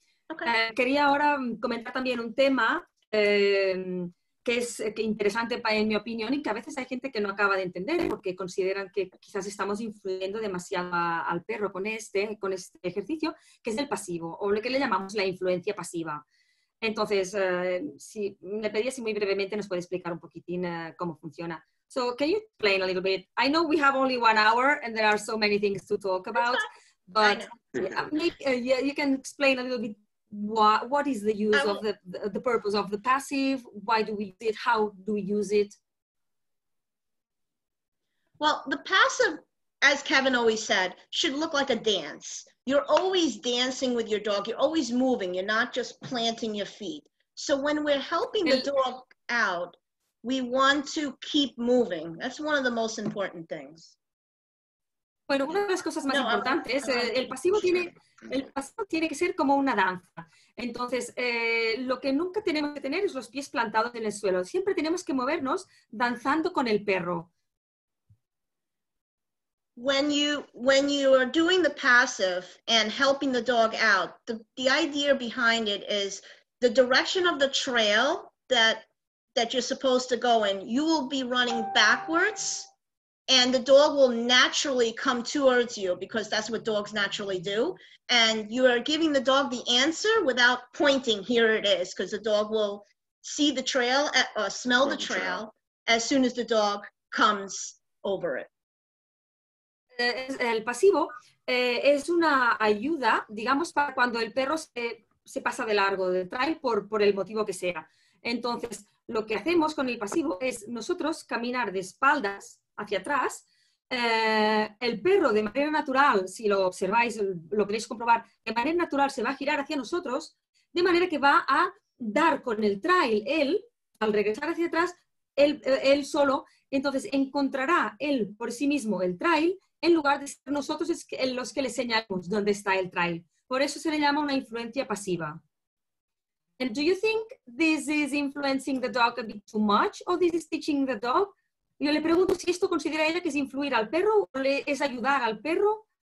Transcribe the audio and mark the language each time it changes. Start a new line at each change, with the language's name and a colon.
English: Okay.
Spanish: Quería ahora comentar también un tema que es interesante en mi opinión y que a veces hay gente que no acaba de entender porque consideran que quizás estamos influyendo demasiado al perro con este ejercicio, que es el pasivo, o lo que le llamamos la influencia pasiva. Entonces, si le pedía si muy brevemente nos puede explicar un poquitín cómo funciona.
English: So, can you explain a little bit? I know we have only 1 hour and there are so many things to talk about, but you can explain a little bit. What is the use of the purpose of the passive? Why do we use it? How do we use it? Well, the passive, as Kevin always said, should look like a dance. You're always dancing with your dog. You're always moving. You're not just planting your feet. So when we're helping the dog out, We want to keep moving. That's one of the most important things.
Spanish: Bueno, una de las cosas más importantes, el pasivo tiene que ser como una danza. Entonces, lo que nunca tenemos que tener es los pies plantados en el suelo. Siempre tenemos que movernos danzando con el perro.
English: When you are doing the passive and helping the dog out, the idea behind it is the direction of the trail that you're supposed to go in, you will be running backwards and the dog will naturally come towards you because that's what dogs naturally do. And you are giving the dog the answer without pointing, here it is, because the dog will see the trail, smell the trail as soon as the dog comes over it.
Spanish: El pasivo es una ayuda, digamos, para cuando el perro se pasa de largo, de trail, por el motivo que sea. Entonces, lo que hacemos con el pasivo es nosotros caminar de espaldas hacia atrás. El perro, de manera natural, si lo observáis, lo queréis comprobar, de manera natural se va a girar hacia nosotros, de manera que va a dar con el trail. Él, al regresar hacia atrás, él solo, entonces encontrará él por sí mismo el trail, en lugar de ser nosotros los que le señalamos dónde está el trail. Por eso se le llama una influencia pasiva.
English: And do you think this is influencing the dog a bit too much, or this is teaching the dog?
Spanish: Yo le pregunto si esto considera ella que es influir al perro, o le es ayudar al perro.